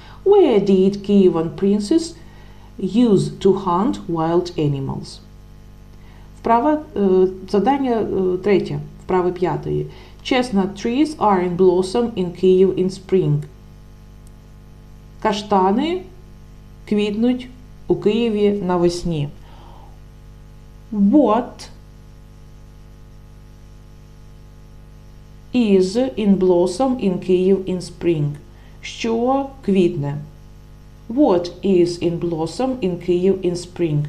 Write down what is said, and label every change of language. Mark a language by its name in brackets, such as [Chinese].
[English] Where did Kyivan princes use to hunt wild animals? [Ukrainian] Вправа, завдання третє, вправи п'ятої. [English] Chestnut trees are in blossom in Kyiv in spring. [Ukrainian] Каштани квітнуть у Києві навесні. [English] What is in blossom in Kyiv in spring? [Ukrainian] Що квітне? [English] What is in blossom in Kyiv in spring?